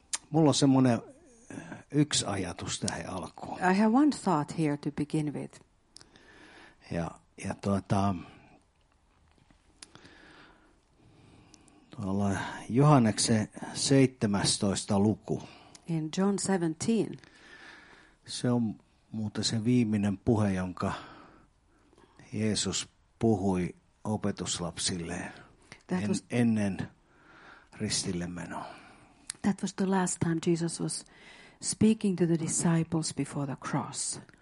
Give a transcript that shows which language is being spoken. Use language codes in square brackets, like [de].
[fi] Mulla on semmoinen yksi ajatus tähän alkuun. [en] I have one thought here to begin with. [fi] Ja tuolla Johanneksen 17. luku. [en] In John 17. [fi] Se on muuten se viimeinen puhe, jonka Jeesus puhui opetuslapsilleen ennen ristille menoa. [en] That was the last time Jesus was speaking to the disciples before the cross.